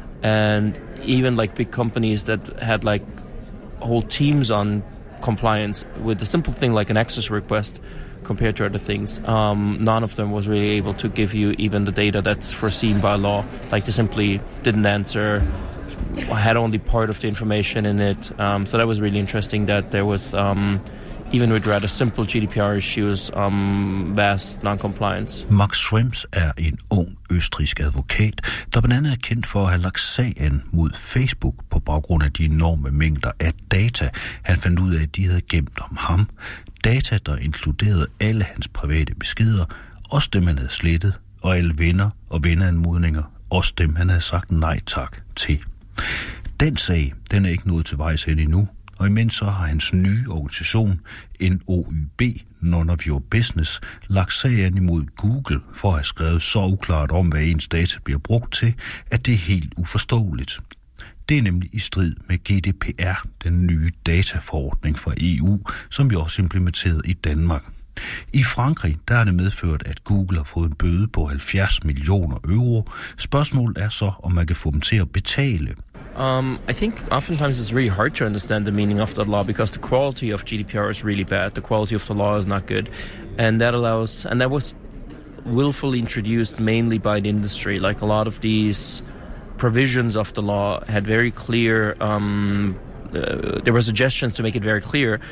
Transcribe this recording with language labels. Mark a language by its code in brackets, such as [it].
[en] And even like big companies that had like whole teams on compliance with a simple thing like an access request compared to other things, none of them was really able to give you even the data that's foreseen by law. Like they simply didn't answer, had only part of the information in it. So that was really interesting that there was, even with rather simple GDPR issues, vast non-compliance. [da] Max Schrems er en ung østrigsk advokat, der blandt andet er kendt for at have lagt sagen mod Facebook på baggrund af de enorme mængder af data, han fandt ud af, at de havde gemt om ham. Data, der inkluderede alle hans private beskeder, også dem, han havde slettet, og alle venner og venneanmodninger, også dem, han havde sagt nej tak til. Den sag, den er ikke nået til vejs ende endnu, og imens så har hans nye organisation, NOYB, None of Your Business, lagt sagen imod Google for at have skrevet så uklart om, hvad ens data bliver brugt til, at det er helt uforståeligt. Det er nemlig i strid med GDPR, den nye dataforordning fra EU, som vi også implementerede i Danmark. I Frankrig der er det medført, at Google har fået en bøde på 70 millioner euro. Spørgsmålet er så, om man kan få dem til at betale. [en] I think oftentimes it's really hard to understand the meaning of that law because the quality of GDPR is really bad. The quality of the law is not good. And that allows, and that was willfully introduced mainly by the industry. Like a lot of these provisions of the law had very clear, there were suggestions to make it very clear.